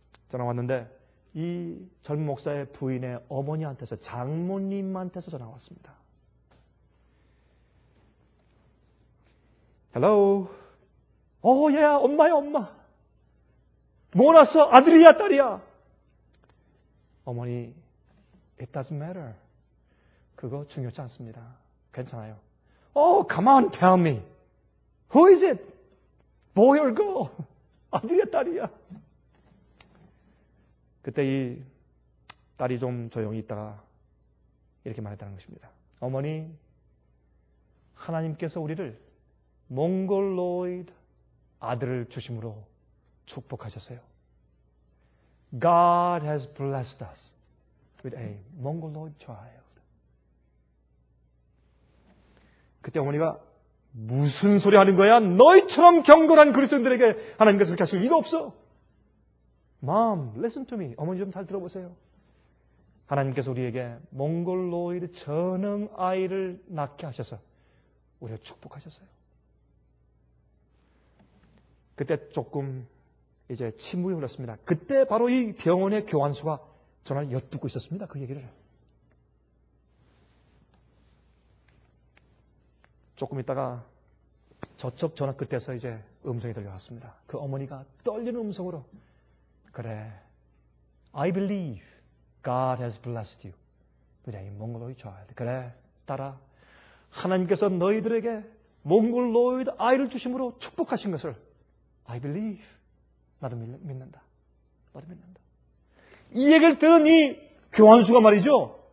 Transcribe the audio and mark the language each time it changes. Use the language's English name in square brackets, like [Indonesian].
[Korean] 전화가 왔는데 이 젊은 목사의 부인의 어머니한테서, 장모님한테서 전화가 왔습니다. [English] Hello. Oh, yeah, [Korean] 엄마야, 엄마. 뭐 났어? 아들이야, 딸이야? 어머니, [English] it doesn't matter. [Korean] 그거 중요하지 않습니다. 괜찮아요. [English] Oh, come on, tell me. Who is it? Boy or girl? [Korean] 아들이야, 딸이야? 그때 이 딸이 좀 조용히 있다가 이렇게 말했다는 것입니다. 어머니, 하나님께서 우리를 몽골로이드 아들을 주심으로 축복하셨어요. [English] God has blessed us with a Mongoloid child. [Korean] 그때 어머니가 무슨 소리 하는 거야? 너희처럼 경건한 그리스도인들에게 하나님께서 그렇게 하실 리가 없어. [English] Mom, listen to me. [Korean] 어머니 좀 잘 들어보세요. 하나님께서 우리에게 몽골로이드 전능 아이를 낳게 하셔서 우리를 축복하셨어요. 그때 조금 이제 침묵이 흘렀습니다. 그때 바로 이 병원의 교환수가 전화를 엿듣고 있었습니다. 그 얘기를. 조금 있다가 저쪽 전화 끝에서 이제 음성이 들려왔습니다. 그 어머니가 떨리는 음성으로, 그래, [English] I believe God has blessed you. [Korean] 그래, 몽골로이드 child. 그래, 딸아, 하나님께서 너희들에게 몽골로이드 아이를 주심으로 축복하신 것을 [English] I believe. [Korean] 나도 믿는다. 나도 믿는다. 이 얘기를 들은 이 교환수가 말이죠.